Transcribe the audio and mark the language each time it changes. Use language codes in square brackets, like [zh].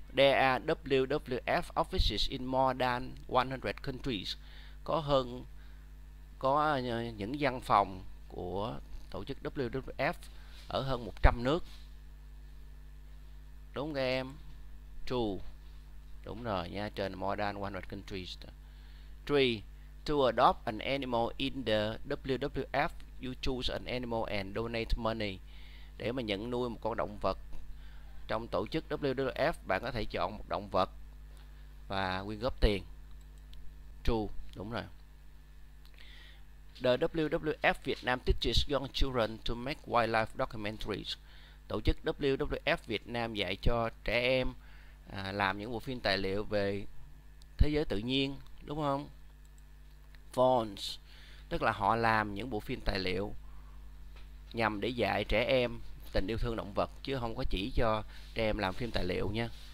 [en] There are WWF offices in more than 100 countries. [vi] Có những văn phòng của tổ chức WWF ở hơn 100 nước. Đúng không em? 2. Đúng rồi nha, trên [en] more than 100 countries. [vi] 3. [en] To adopt an animal in the WWF, you choose an animal and donate money. [vi] Để mà nhận nuôi một con động vật trong tổ chức WWF, bạn có thể chọn một động vật và quyên góp tiền. True, đúng rồi. [en] The WWF Vietnam teaches young children to make wildlife documentaries. [vi] Tổ chức WWF Việt Nam dạy cho trẻ em làm những bộ phim tài liệu về thế giới tự nhiên, đúng không? Fawns, tức là họ làm những bộ phim tài liệu nhằm để dạy trẻ em tình yêu thương động vật, chứ không có chỉ cho trẻ em làm phim tài liệu nha.